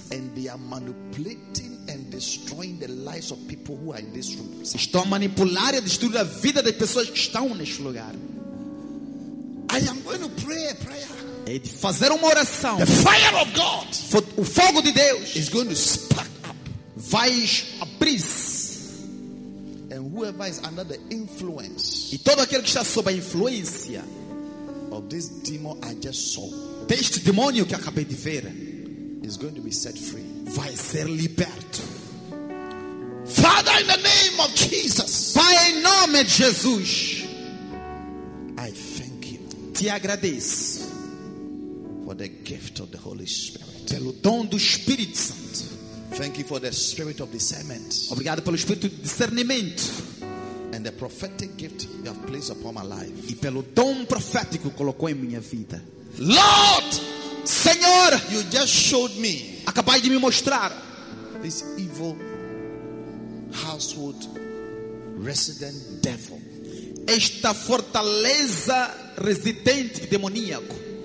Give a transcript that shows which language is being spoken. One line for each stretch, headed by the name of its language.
English: And they are manipulating and destroying the lives of people who are in this room.
Portuguese: Estão a manipular e a destruir a vida das pessoas que estão neste lugar.
English: I am going to pray a prayer.
Portuguese: É de fazer oração.
English: The fire of God.
Portuguese: O fogo de Deus.
English: Is going to spark up.
Portuguese: Vai abrir.
English: And whoever is under the influence.
Portuguese: E todo aquele que está sob a influência.
English: Of this demon I just saw.
Portuguese: Deste demônio que acabei de ver.
English: Is going to be set free.
Portuguese: vai ser liberto.
English: Father, in the name of Jesus.
Portuguese: Pai, em nome de Jesus.
English: I thank you.
Portuguese: Te agradeço.
English: For the gift of the Holy Spirit.
Portuguese: Pelo dom do Espírito Santo.
English: Thank you for the spirit of discernment.
Portuguese: Obrigado pelo espírito de discernimento.
English: And the prophetic gift you have placed upon my life.
Portuguese: E pelo dom profético que colocou em minha vida.
English: Lord,
Portuguese: Senhor,
English: you just showed me.
Portuguese: Acabai de me mostrar.
English: This evil household resident devil.
Portuguese: Esta fortaleza residente demoníaco.